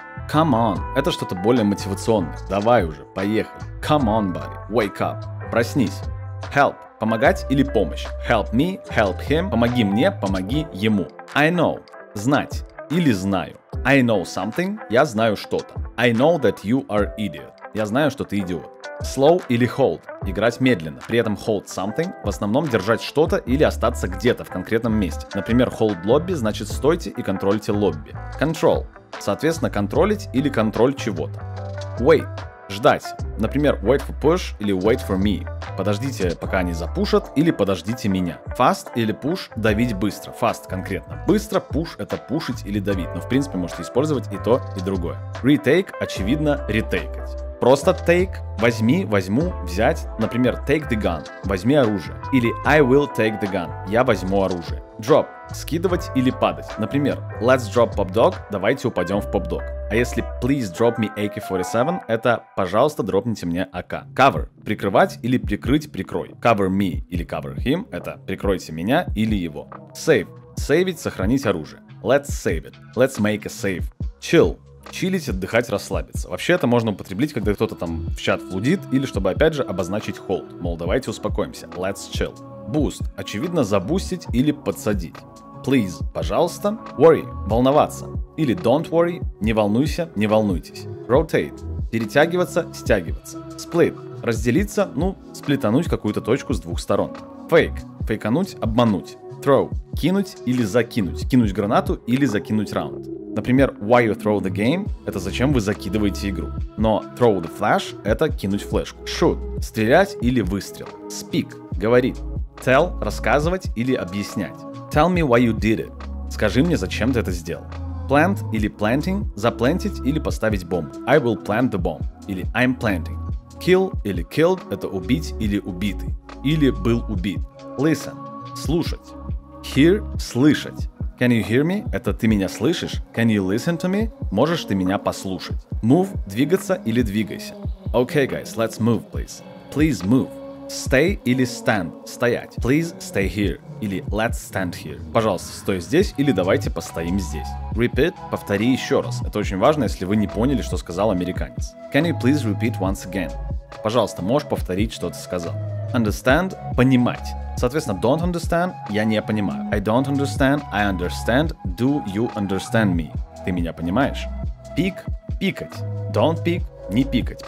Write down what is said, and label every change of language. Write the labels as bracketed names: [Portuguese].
[Russian] Come on – это что-то более мотивационное. Давай уже, поехали. [English] Come on, buddy – wake up. [Russian] Проснись. Help – помогать или помощь. [English] Help me – help him [Russian] – помоги мне, помоги ему. I know – знать или знаю. [English] I know something [Russian] – я знаю что-то. [English] I know that you are idiot – [Russian] я знаю, что ты идиот. Slow или hold – играть медленно, при этом hold something – в основном держать что-то или остаться где-то в конкретном месте. Например, hold lobby – значит стойте и контролите лобби. Control – соответственно контролить или контроль чего-то. Wait – ждать, например, [English] wait for push [Russian] или [English] wait for me [Russian] – подождите, пока они запушат, или подождите меня. Fast или push – давить быстро, fast конкретно. Быстро, push – это пушить или давить, но в принципе можете использовать и то, и другое. Retake – очевидно ретейкать. Просто take – возьми, возьму, взять, например, [English] take the gun [Russian] – возьми оружие, или [English] I will take the gun [Russian] – я возьму оружие. Drop – скидывать или падать, например, [English] let's drop pop dog [Russian] – давайте упадем в pop dog. А если [English] please drop me AK-47 [Russian] – это пожалуйста, дропните мне АК. Cover – прикрывать или прикрыть, прикрой. [English] Cover me [Russian] или [English] cover him [Russian] – это прикройте меня или его. Save – сейвить, сохранить оружие. [English] Let's save it – let's make a save. [Russian] Chill – чилить, отдыхать, расслабиться. Вообще это можно употреблять, когда кто-то там в чат флудит, или чтобы опять же обозначить hold. Мол, давайте успокоимся. [English] Let's chill. Boost. [Russian] Очевидно, забустить или подсадить. Please. Пожалуйста. Worry. Волноваться. [English] Или don't worry. [Russian] Не волнуйся, не волнуйтесь. [English] Rotate. [Russian] Перетягиваться, стягиваться. [English] Split. [Russian] Разделиться, ну, сплетануть какую-то точку с двух сторон. Fake. Фейкануть, обмануть. Throw. Кинуть или закинуть. Кинуть гранату или закинуть раунд. Например, [English] why you throw the game [Russian] – это зачем вы закидываете игру. Но [English] throw the flash [Russian] – это кинуть флешку. Shoot – стрелять или выстрел. Speak – говорить. Tell – рассказывать или объяснять. [English] Tell me why you did it [Russian] – скажи мне, зачем ты это сделал. Plant или planting – заплантить или поставить бомбу. [English] I will plant the bomb или I'm planting. [Russian] Kill или killed – это убить или убитый. Или был убит. Listen – слушать. Hear – слышать. [English] Can you hear me? [Russian] Это ты меня слышишь? [English] Can you listen to me? [Russian] Можешь ты меня послушать? Move – двигаться или двигайся. [English] Okay, guys, let's move, please. Please move. [Russian] Stay или stand – стоять. [English] Please stay here. Или let's stand here. [Russian] Пожалуйста, стой здесь или давайте постоим здесь. Repeat – повтори еще раз. Это очень важно, если вы не поняли, что сказал американец. [English] Can you please repeat once again? [Russian] Пожалуйста, можешь повторить, что ты сказал. Understand – понимать. [English] Соответственно, don't understand – [Russian] я не понимаю. [English] I don't understand – I understand – do you understand me? [Russian] Ты меня понимаешь? Pick – пикать. [English] Don't pick [Russian] – не пикать.